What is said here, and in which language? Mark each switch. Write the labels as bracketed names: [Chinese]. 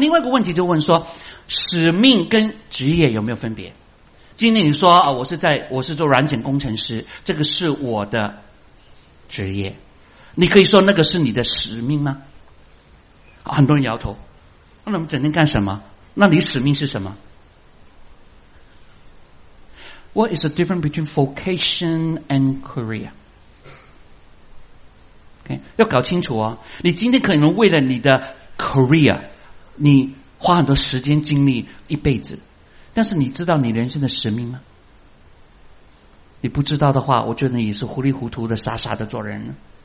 [Chinese] 另外一个问题就问说，使命跟职业有没有分别？今天你说我是做软件工程师，这个是我的职业。你可以说那个是你的使命吗？很多人摇头。那我们整天干什么？那你使命是什么？ [English] What is the difference between vocation and career? [Chinese] Okay, 要搞清楚哦。你今天可能为了你的 career, 你花很多时间精力一辈子，但是你知道你人生的使命吗？你不知道的话，我觉得你也是糊里糊涂的傻傻的做人。